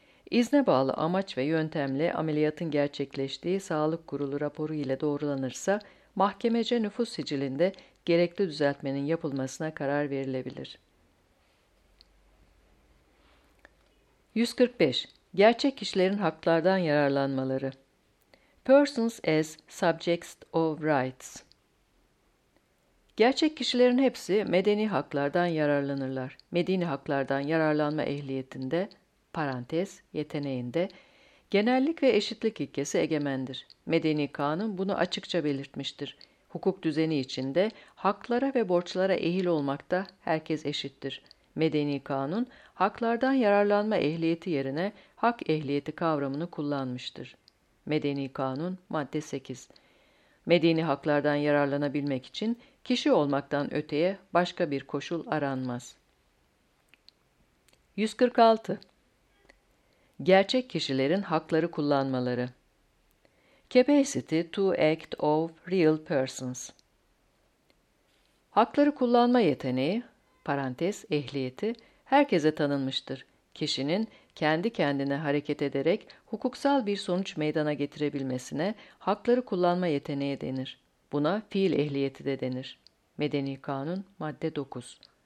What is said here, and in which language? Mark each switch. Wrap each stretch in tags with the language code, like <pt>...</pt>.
<tr>İzne bağlı amaç ve yöntemle ameliyatın gerçekleştiği sağlık kurulu raporu ile doğrulanırsa, mahkemece nüfus sicilinde gerekli düzeltmenin yapılmasına karar verilebilir. 145. Gerçek kişilerin haklardan yararlanmaları.</tr> <en>Persons as subjects of rights.</en> <tr>Gerçek kişilerin hepsi medeni haklardan yararlanırlar. Medeni haklardan yararlanma ehliyetinde, parantez, yeteneğinde, genellik ve eşitlik ilkesi egemendir. Medeni kanun bunu açıkça belirtmiştir. Hukuk düzeni içinde haklara ve borçlara ehil olmakta herkes eşittir. Medeni kanun, haklardan yararlanma ehliyeti yerine hak ehliyeti kavramını kullanmıştır. Medeni kanun, madde 8. Medeni haklardan yararlanabilmek için kişi olmaktan öteye başka bir koşul aranmaz. 146. Gerçek kişilerin hakları kullanmaları.</tr> <en>Capacity to act of real persons.</en> <tr>Hakları kullanma yeteneği, parantez ehliyeti, herkese tanınmıştır. Kişinin kendi kendine hareket ederek hukuksal bir sonuç meydana getirebilmesine hakları kullanma yeteneği denir. Buna fiil ehliyeti de denir. Medeni Kanun, madde 9.</tr>